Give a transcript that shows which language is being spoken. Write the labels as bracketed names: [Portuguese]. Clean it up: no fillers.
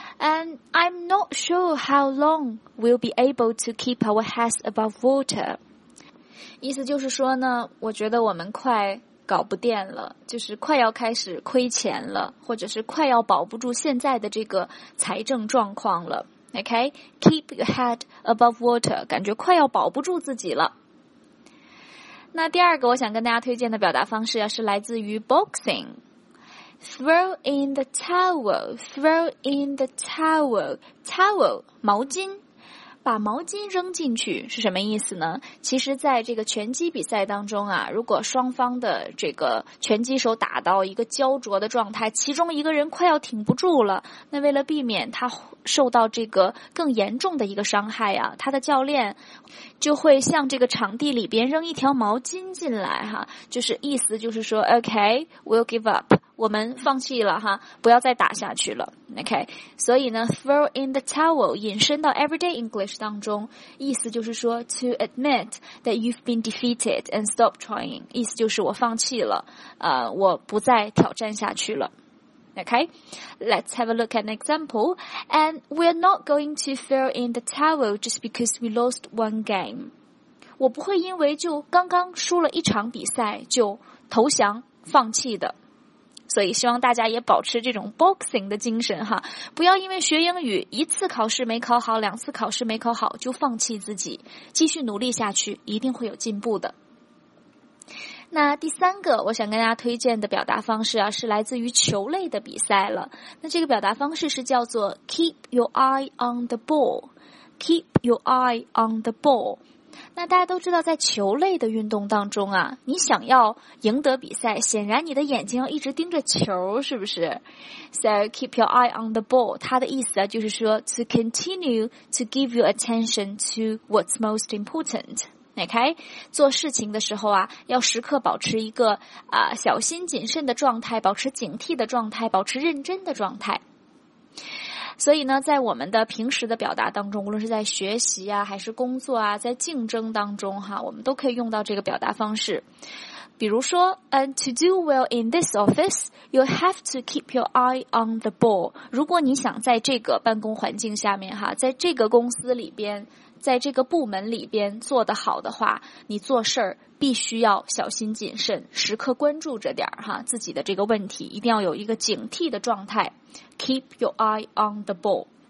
[English] And I'm not sure how long we'll be able to keep our heads above water. [Chinese] 意思就是说呢，我觉得我们快搞不定了，就是快要开始亏钱了，或者是快要保不住现在的这个财政状况了。 [English] Okay, keep your head above water. [Chinese] 感觉快要保不住自己了。那第二个我想跟大家推荐的表达方式是来自于 boxing. [English] Throw in the towel, throw in the towel. Towel, 毛巾。 [Chinese] 把毛巾扔进去是什么意思呢？其实在这个拳击比赛当中啊，如果双方的这个拳击手打到一个焦灼的状态，其中一个人快要挺不住了，那为了避免他受到这个更严重的一个伤害啊，他的教练就会向这个场地里边扔一条毛巾进来哈，就是意思就是说 [English] OK, we'll give up, [Chinese] 我们放弃了哈，不要再打下去了 OK, 所以呢 throw in the towel 引申到 everyday English 当中，意思就是说 [English] to admit that you've been defeated and stop trying, [Chinese] 意思就是我放弃了，我不再挑战下去了。 [English] Okay, let's have a look at an example. And we're not going to throw in the towel just because we lost one game. [Chinese] 我不会因为就刚刚输了一场比赛就投降放弃的。所以希望大家也保持这种 boxing 的精神哈，不要因为学英语一次考试没考好，两次考试没考好就放弃自己，继续努力下去，一定会有进步的。那第三个我想跟大家推荐的表达方式啊，是来自于球类的比赛了。那这个表达方式是叫做 [English] keep your eye on the ball, [Chinese] keep your eye on the ball。那大家都知道在球类的运动当中啊，你想要赢得比赛，显然你的眼睛要一直盯着球，是不是？ [English] So keep your eye on the ball, [Chinese] 它的意思啊，就是说 [English] to continue to give your attention to what's most important。 [Chinese] Okay, 做事情的时候啊，要时刻保持一个小心谨慎的状态，保持警惕的状态，保持认真的状态。所以呢，在我们的平时的表达当中，无论是在学习啊，还是工作啊，在竞争当中哈，我们都可以用到这个表达方式。比如说 [English] to do well in this office, you have to keep your eye on the ball. [Chinese] 如果你想在这个办公环境下面哈，在这个公司里边，在这个部门里边做得好的话，你做事儿必须要小心谨慎，时刻关注着点哈，自己的这个问题一定要有一个警惕的状态。 [English] Keep your eye on the ball。